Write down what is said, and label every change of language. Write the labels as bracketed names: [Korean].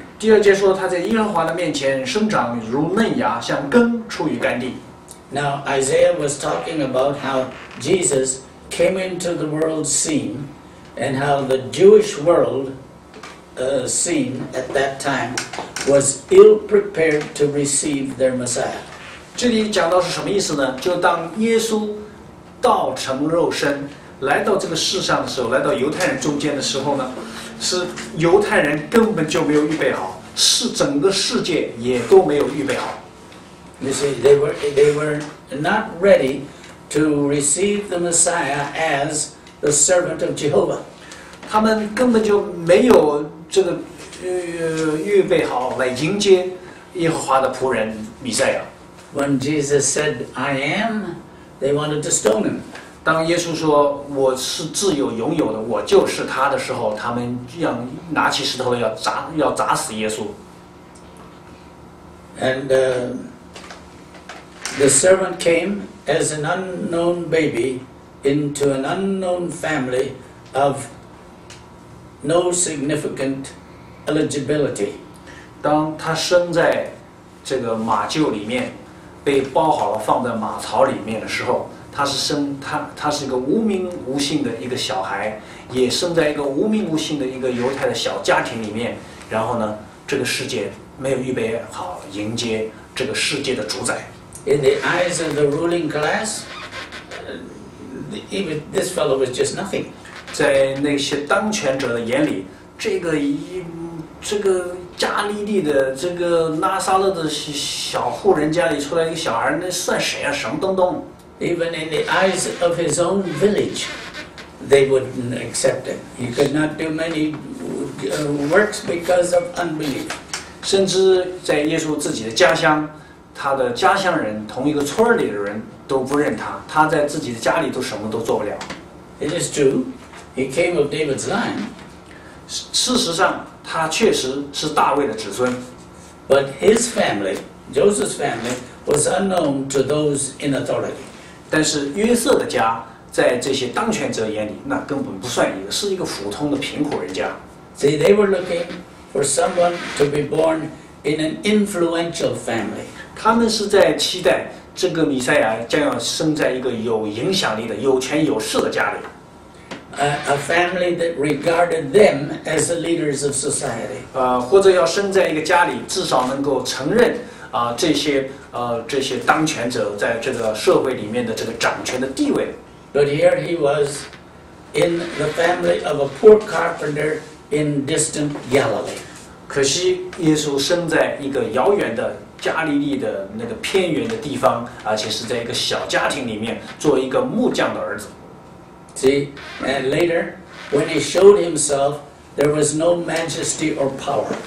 [Chinese] 第二节说他在耶和华的面前生长如嫩芽，像根出于干地。 [English] Now Isaiah was talking about how Jesus came into the world scene, and how the Jewish world scene at that time was ill prepared to receive their Messiah. [Chinese] 这里讲到是什么意思呢？就当耶稣道成肉身。来到这个世上的时候，来到犹太人中间的时候呢，是犹太人根本就没有预备好，是整个世界也都没有预备好。 [English] You see, they were not ready to receive the Messiah as the servant of Jehovah. [Chinese] 他们根本就没有这个预备好来迎接耶和华的仆人弥赛亚。 [English] When Jesus said, "I am," they wanted to stone him. [Chinese] 当耶稣说我是自由拥有的，我就是他的时候，他们要拿起石头要砸死耶稣。 [English] And the servant came as an unknown baby into an unknown family of no significant eligibility. [Chinese] 当他生在这个马厩里面，被包好了放在马槽里面的时候。他是一个无名无姓的一个小孩，也生在一个无名无姓的一个犹太的小家庭里面。然后呢，这个世界没有预备好迎接这个世界的主宰。 [English] In the eyes of the ruling class, even this fellow was just nothing. [Chinese] 在那些当权者的眼里，这个加利利的这个拉撒勒的小户人家里出来一个小孩，那算谁啊？什么东东？ [English] Even in the eyes of his own village, they wouldn't accept it. He could not do many works because of unbelief. [Chinese] 甚至在耶稣自己的家乡，他的家乡人同一个村里的人都不认他，他在自己的家里都什么都做不了。 [English] It is true, he came of David's line. [Chinese] 事实上，他确实是大卫的子孙。 [English] But his family, Joseph's family, was unknown to those in authority. [Chinese] 但是约瑟的家在这些当权者眼里那根本不算一个，是一个普通的贫苦人家。 [English] See, they were looking for someone to be born in an influential family. [Chinese] 他们是在期待这个弥赛亚将要生在一个有影响力的有权有势的家里。 [English] A family that regarded them as the leaders of society. [Chinese] 或者要生在一个家里至少能够承认这些当权者在这个社会里面的这个掌权的地位。 [English] But here he was in the family of a poor carpenter in distant Galilee. [Chinese] 可惜耶稣生在一个遥远的加利利的那个偏远的地方，而且是在一个小家庭里面做一个木匠的儿子。 [English] See, and later, when he showed himself, there was no majesty or power.